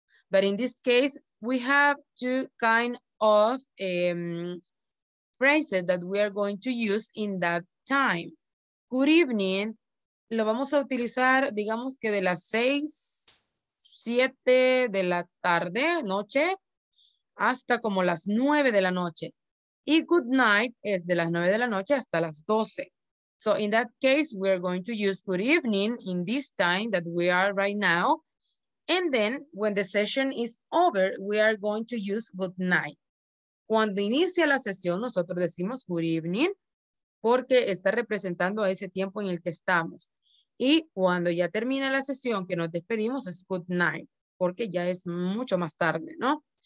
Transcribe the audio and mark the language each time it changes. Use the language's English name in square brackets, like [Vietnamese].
[English] But in this case, we have two kind of phrases that we are going to use in that time. [Spanish] Good evening, lo vamos a utilizar, digamos que de las 6, 7 de la tarde, noche, hasta como las 9 de la noche. Y good night es de las 9 de la noche hasta las 12. [English] So in that case, we are going to use good evening in this time that we are right now. And then when the session is over, we are going to use good night. [Spanish] Cuando inicia la sesión, nosotros decimos good evening porque está representando a ese tiempo en el que estamos. Y cuando ya termina la sesión, que nos despedimos, es good night porque ya es mucho más tarde, ¿no?